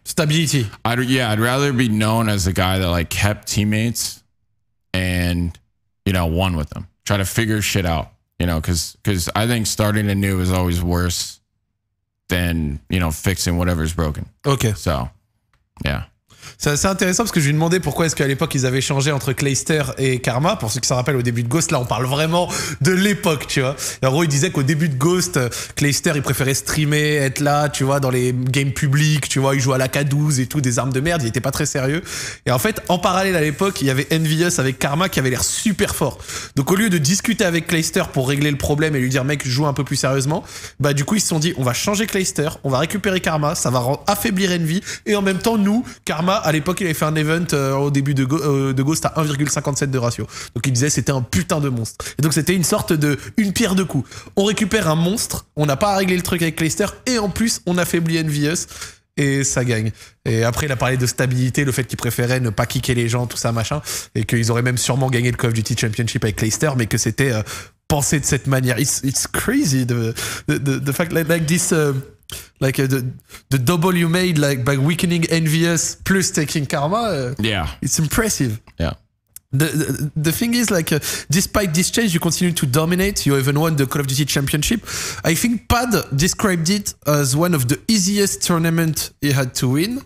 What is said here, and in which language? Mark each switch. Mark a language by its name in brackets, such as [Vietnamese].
[English] stability. I'd rather be known as the guy that like kept teammates and, you know, won with them. Try to figure shit out, you know, cause I think starting anew is always worse than, you know, fixing whatever's broken. Okay. So, yeah. [French] C'est assez intéressant parce que je lui ai demandé pourquoi est-ce qu'à l'époque ils avaient changé entre Clayster et Karma. Pour ceux qui s'en rappellent au début de Ghost, là on parle vraiment de l'époque, tu vois. En gros, il disait qu'au début de Ghost, Clayster il préférait streamer, être là, tu vois, dans les games publics, tu vois, il jouait à la K12 et tout, des armes de merde, il était pas très sérieux. Et en fait, en parallèle à l'époque, il y avait Envious avec Karma qui avait l'air super fort. Donc au lieu de discuter avec Clayster pour régler le problème et lui dire mec, joue un peu plus sérieusement, bah du coup ils se sont dit on va changer Clayster, on va récupérer Karma, ça va affaiblir Envy et en même temps nous, Karma, à l'époque, il avait fait un event au début de Ghost à 1,57 de ratio. Donc il disait c'était un putain de monstre. Et donc c'était une sorte de une pierre deux coups. On récupère un monstre, on n'a pas à régler le truc avec Clayster et en plus on affaiblit Envious et ça gagne. Et après il a parlé de stabilité, le fait qu'il préférait ne pas kicker les gens, tout ça machin, et qu'ils auraient même sûrement gagné le Call of Duty Championship avec Clayster, mais que c'était pensé de cette manière. [English] It's crazy the fact like this. Like the double you made, like by weakening Envious plus taking Karma. Yeah, it's impressive. Yeah, the thing is, like, despite this change, you continue to dominate. You even won the Call of Duty Championship. I think Pad described it as one of the easiest tournament he had to win.